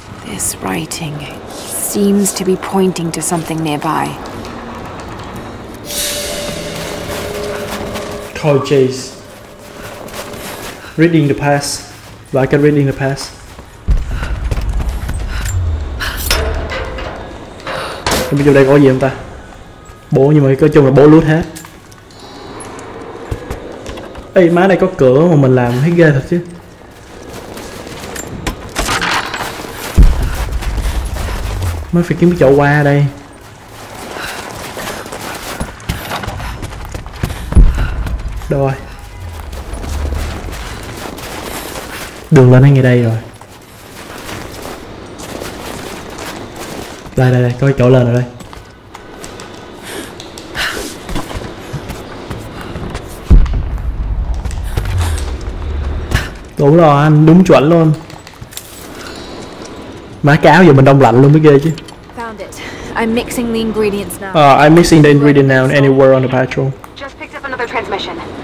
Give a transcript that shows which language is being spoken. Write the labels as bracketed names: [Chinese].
[English] This writing seems to be pointing to something nearby. Code Chase. Reading the past. Like I'm reading the past. [Vietnamese] Không biết trong đây có gì không ta. Bố, nhưng mà nói chung là bố loot hết. Ê, má này có cửa mà mình làm thấy ghê thật chứ. Mới phải kiếm cái chỗ qua đây. Đâu rồi? Đường lên ngay đây rồi. Đây đây đây, có cái chỗ lên rồi đây. Đúng rồi anh, đúng chuẩn luôn. Má cái áo giờ mình đông lạnh luôn mới ghê chứ. [English] I'm mixing the ingredients now. I'm mixing the ingredient now anywhere on the patrol. Just picked up another transmission.